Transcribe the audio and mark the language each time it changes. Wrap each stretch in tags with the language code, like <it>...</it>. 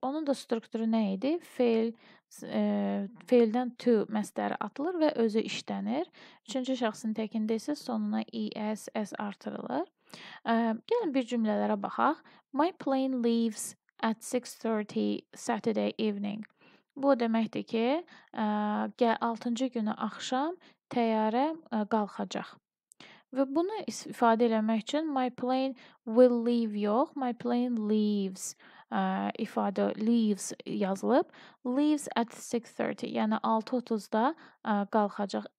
<az>Onun da strukturu nə idi? Feildən to məsdəri atılır və özü işlənir. Üçüncü şəxsin təkində isə sonuna es artırılır. Gəlin bir cümlələrə baxaq.</az> <en>My plane leaves at 6:30 Saturday evening.</en> <az>Bu deməkdir ki, 6-cı günü axşam təyyarə qalxacaq. Və bunu ifadə eləmək üçün</az> <en>my plane will leave</en> <az>yox,</az> <en>my plane leaves</en> <az>ifadə leaves yazılıb. Leaves at 6:30, yəni 6:30-da qalxacaq.</az>